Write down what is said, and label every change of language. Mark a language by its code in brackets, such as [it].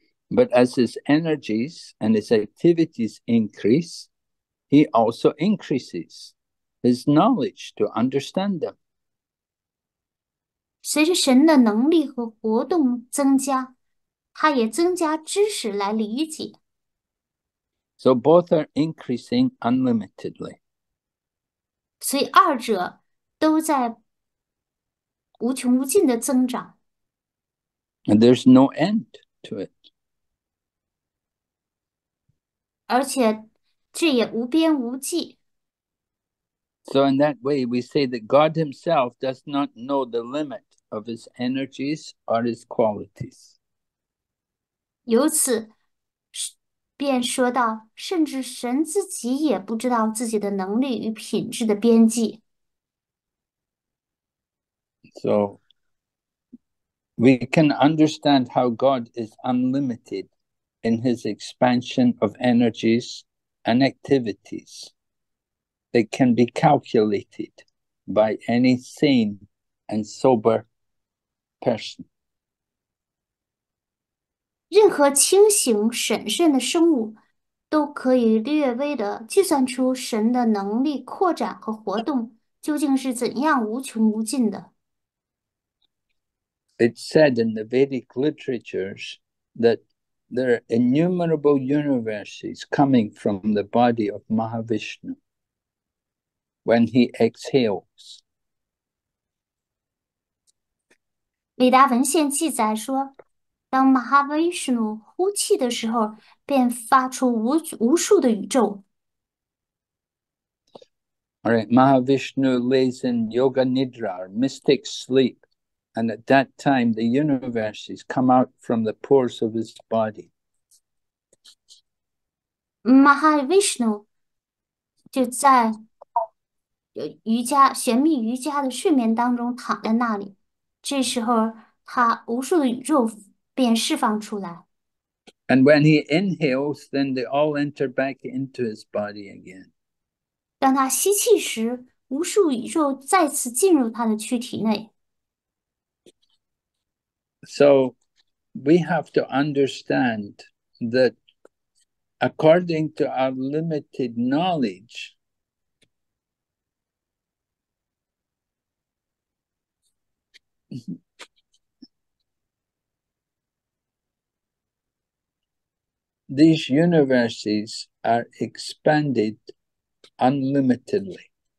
[en] But as his energies and his activities increase, he also increases his knowledge to understand them. [zh] 随着神的能力和活动增加，他也增加知识来理解。 [en] So both are increasing unlimitedly. [zh] 所以二者都在无穷无尽的增长。 [en] And there's no end to it. [zh] 而且，这也无边无际。 [en] So in that way, we say that God himself does not know the limit of his energies or his qualities. [zh] 由此，便说到，甚至神自己也不知道自己的能力与品质的边际。 [en] So we can understand how God is unlimited in his expansion of energies and activities. It can be calculated by any sane and sober person. [zh] 任何清醒审慎的生物都可以略微的计算出神的能力扩展和活动究竟是怎样无穷无尽的。 [en] It's said in the Vedic literatures that there are innumerable universes coming from the body of Mahavishnu when he exhales. [zh] 伟达文献记载说，当 Mahavishnu 呼气的时候，便发出无数的宇宙。 [en] All right, Mahavishnu lays in yoga nidra, or mystic sleep. And at that time, the universes come out from the pores of his body. [zh] Mahavishnu 就在玄秘瑜伽的睡眠当中躺在那里，这时候他无数的宇宙便释放出来。 [en] And when he inhales, then they all enter back into his body again. [zh] 当他吸气时，无数宇宙再次进入他的躯体内。 [en] So we have to understand that according to our limited knowledge, these universes are expanded unlimitedly.